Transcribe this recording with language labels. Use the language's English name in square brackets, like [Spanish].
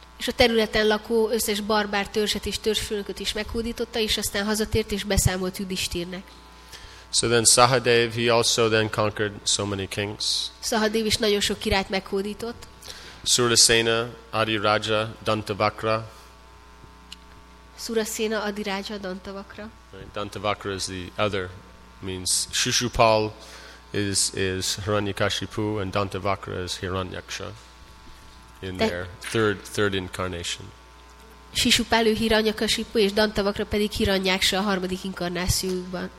[Hungarian] És a területen lakó összes barbár törzset és törzsfőnököt is meghódította, és aztán hazatért és beszámolt Yudhishthirnek. [English] So then Sahadev, he also then conquered so many kings. [Hungarian] Sahadev is nagyon sok királyt meghódított. [English] Surasena, Adiraja, Dantavakra. [Hungarian] Surasena, Adiraja, Dantavakra. [English] Dantavakra is the other, means Shishupal is Hiranyakashipu, and Dantavakra is Hiranyaksha. In their third incarnation. [Hungarian] Shishupal, Hiranyakashipu, és Dantavakra pedig Hiranyaksha a harmadik inkarnációjukban.